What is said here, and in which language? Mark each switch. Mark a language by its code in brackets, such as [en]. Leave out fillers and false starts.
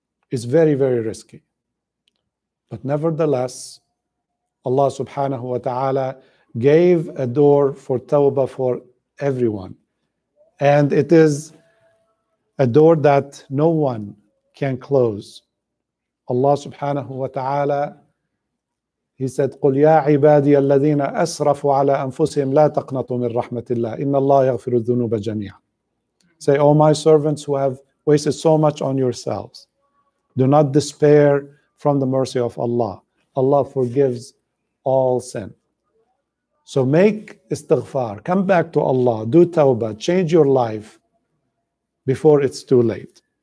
[en] It's very, very risky. But nevertheless, Allah subhanahu wa ta'ala gave a door for tawbah for everyone. And it is a door that no one can close. Allah subhanahu wa ta'ala, He said, [ar] قُلْ يَا عِبَادِيَ الَّذِينَ أَسْرَفُوا عَلَى أَنفُسِهِمْ لَا تَقْنَطُوا مِنْ رَحْمَةِ اللَّهِ إِنَّ اللَّهَ يَغْفِرُ الذُّنُوبَ جَمِيعًا. [en] Say, oh my servants who have wasted so much on yourselves, do not despair from the mercy of Allah. Allah forgives all sin. So make istighfar, come back to Allah, do tawbah, change your life before it's too late.